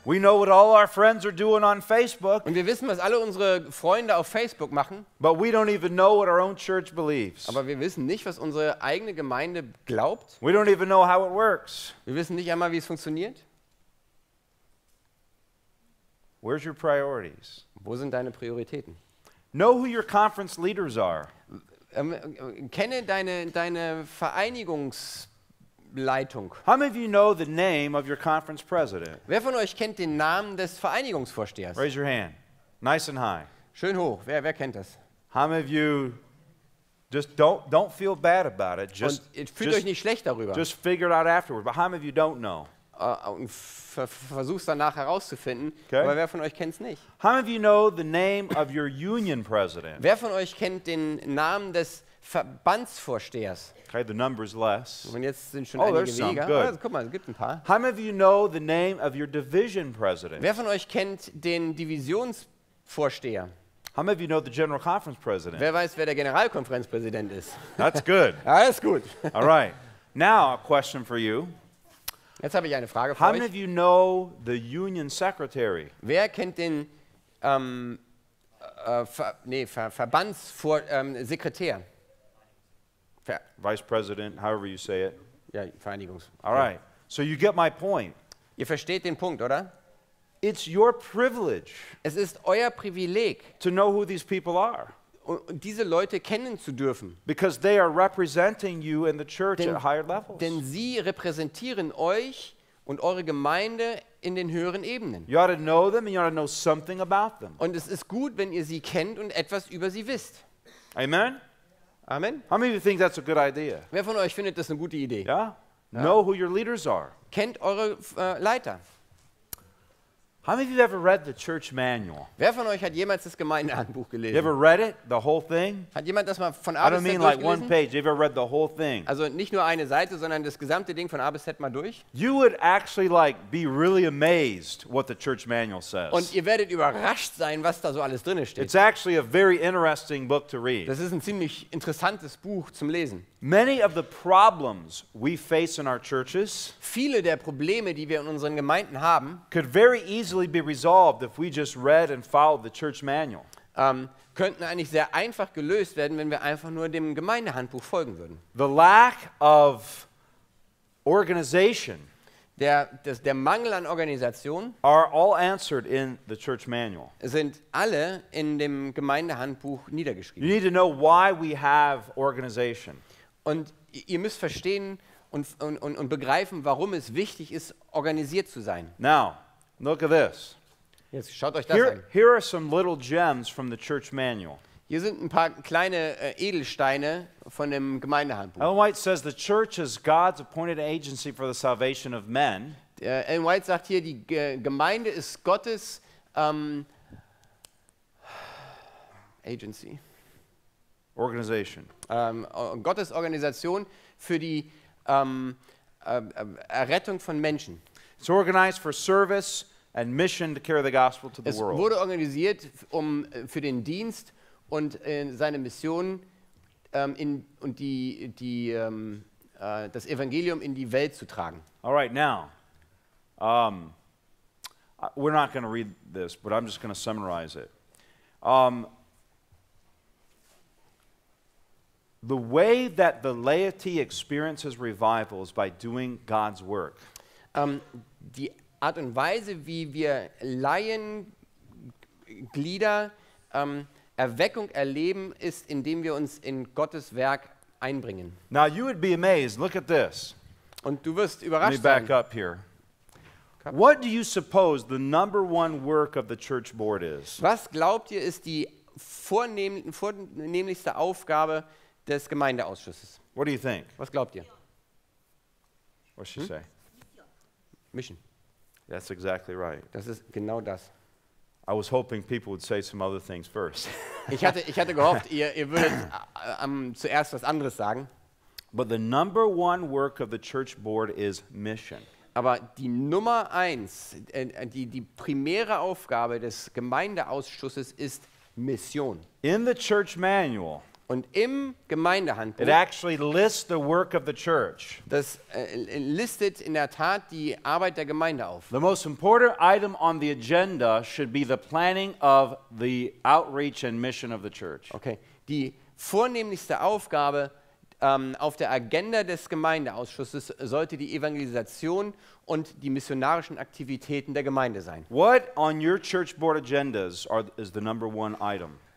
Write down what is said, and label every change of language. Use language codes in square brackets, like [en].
[en] We know what all our friends are doing on Facebook. [de] Und wir wissen, was alle unsere Freunde auf Facebook machen. [en] But we don't even know what our own church believes. [de] Aber wir wissen nicht, was unsere eigene Gemeinde glaubt. [en] We don't even know how it works. [de] Wir wissen nicht einmal, wie es funktioniert. [en] Where's your priorities? [de] Wo sind deine Prioritäten? [en] Know who your conference leaders are. [de] Kenne deine Vereinigungs Leitung. [en] How many of you know the name of your conference president? [de] Wer von euch kennt den Namen des Vereinigungsvorstehers? [en] Raise your hand. Nice and high. [de] Schön hoch. Wer kennt das? [en] How many of you just don't feel bad about it. Just [de] und fühlt euch nicht schlecht darüber. [en] Just figure it out afterward. But how many of you don't know? [de] Versuch's danach herauszufinden. Okay. Aber wer von euch kennt's nicht? [en] How many of you know the name of your union president? [de] Wer von euch kennt den Namen des Verbandsvorstehers? [en] Okay, the number is less. [de] Und jetzt sind schon einige weniger. [en] Oh, good. [de] Guck mal, es gibt ein paar. [en] How many of you know the name of your division president? [de] Wer von euch kennt den Divisionsvorsteher? [en] How many of you know the general conference president? [de] Wer weiß, wer der Generalkonferenzpräsident ist? [en] That's good. [de] Ja, das ist gut. [en] All right. Now a question for you. [de] Jetzt habe ich eine Frage für [en] How [de] euch. [en] How many of you know the union secretary? [de] Wer kennt den Verbandssekretär? [en] Vice President, however you say it. [de] Ja, Vereinigungs. [en] All right. So you get my point. [de] Ihr versteht den Punkt, oder? [en] It's your privilege. [de] Es ist euer Privileg. [en] To know who these people are. [de] Und diese Leute kennen zu dürfen. [en] Because they are representing you in the church at higher levels. [de] Denn sie repräsentieren euch und eure Gemeinde in den höheren Ebenen. [en] You ought to know them and you ought to know something about them. [de] Und es ist gut, wenn ihr sie kennt und etwas über sie wisst. [en] Amen. [de] Amen. [en] How many of you think that's a good idea? [de] Wer von euch findet das eine gute Idee? [en] Yeah? Ja. Know who your leaders are. [de] Kennt eure Leiter. [en] How many of you have ever read the church manual? [de] Wer von euch hat jemals das Gemeindehandbuch gelesen? [en] You ever read it, the whole thing? [de] Hat jemand das mal von A bis Z durchgelesen? [en] I don't mean like one page. You ever read the whole thing? [de] Also nicht nur eine Seite, sondern das gesamte Ding von A bis Z mal durch? [en] You would actually like be really amazed what the church manual says. [de] Und ihr werdet überrascht sein, was da so alles drin steht. [en] It's actually a very interesting book to read. [de] Das ist ein ziemlich interessantes Buch zum Lesen. [en] Many of the problems we face in our churches, [de] viele der Probleme, die wir in unseren Gemeinden haben, [en] could very easily be resolved if we just read and followed the church manual. [de] Könnten eigentlich sehr einfach gelöst werden, wenn wir einfach nur dem Gemeindehandbuch folgen würden. [en] The lack of organization, [de] Der Mangel an Organisation [en] are all answered in the church manual. [de] Sind alle in dem Gemeindehandbuch niedergeschrieben. [en] You need to know why we have organization. [de] Und ihr müsst verstehen und begreifen, warum es wichtig ist, organisiert zu sein. [en] Now, look at this. [de] Jetzt schaut euch [en] here, [de] das an. [en] Here are some little gems from the church manual. [de] Hier sind ein paar kleine Edelsteine von dem Gemeindehandbuch. [en] Ellen White says the church is God's appointed agency for the salvation of men. [de] Ellen White sagt hier, die Gemeinde ist Gottes Agency. [en] Organization. [de] Gottes Organisation für die Errettung von Menschen. [en] It's organized for service and mission to carry the gospel to the [de] es [en] world. [de] Es wurde organisiert um für den Dienst und seine Mission und das Evangelium in die Welt zu tragen. [en] All right, now, we're not going to read this, but I'm just going to summarize it. The way that the laity experiences revival is by doing God's work. [de] Die Art und Weise, wie wir Laienglieder Erweckung erleben, ist, indem wir uns in Gottes Werk einbringen. [en] Now you would be amazed. Look at this. [de] Und du wirst überrascht [en] sein. Let me back [de] sein. [en] Up here. What do you suppose the number one work of the church board is? [de] Was glaubt ihr, ist die vornehmlichste Aufgabe des Gemeindeausschusses? [en] What do you think? [de] Was glaubt ihr? [en] What should she say? Mission. That's exactly right. [de] Das ist genau das. [en] I was hoping people would say some other things first. [de] Ich hatte gehofft, ihr würdet zuerst was anderes sagen. [en] But the number one work of the church board is mission. [de] Aber die Nummer eins, die primäre Aufgabe des Gemeindeausschusses ist Mission. [en] In the church manual. [de] Und im Gemeindehandbuch. [en] It actually lists the work of the church. [de] Das listet in der Tat die Arbeit der Gemeinde auf. [en] The most important item on the agenda should be the planning of the outreach and mission of the church. Okay. [de] Die vornehmlichste Aufgabe auf der Agenda des Gemeindeausschusses sollte die Evangelisation und die missionarischen Aktivitäten der Gemeinde sein. [en] What on your church board agendas is the number one item?